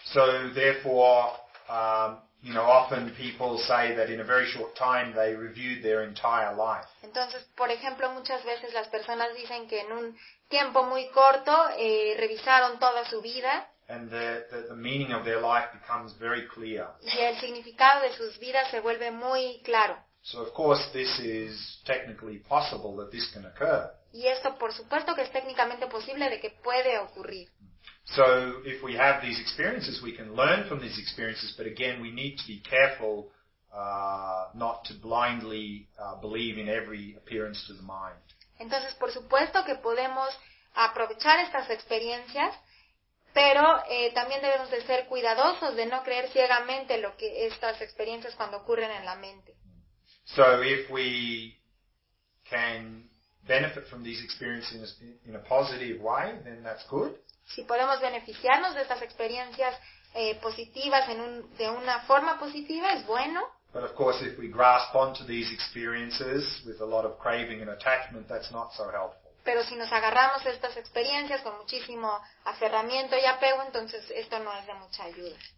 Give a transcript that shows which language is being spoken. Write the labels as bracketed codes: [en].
[en] So therefore, often people say that in a very short time they reviewed their entire life. [es] Entonces, por ejemplo, muchas veces las personas dicen que en un tiempo muy corto revisaron toda su vida. [en] And the meaning of their life becomes very clear. [es] Y el significado de sus vidas se vuelve muy claro. [en] So of course this is technically possible that this can occur. [es] Y esto por supuesto que es técnicamente posible de que puede ocurrir. [en] So if we have these experiences, we can learn from these experiences, but again we need to be careful not to blindly believe in every appearance to the mind. [es] Entonces por supuesto que podemos aprovechar estas experiencias, pero también debemos de ser cuidadosos de no creer ciegamente lo que estas experiencias cuando ocurren en la mente. [en] So if we can benefit from these experiences in a positive way, then that's good. [es] Si podemos beneficiarnos de estas experiencias positivas de una forma positiva, es bueno. [en] But of course, if we grasp onto these experiences with a lot of craving and attachment, that's not so helpful. [es] Pero si nos agarramos a estas experiencias con muchísimo aferramiento y apego, entonces esto no es de mucha ayuda.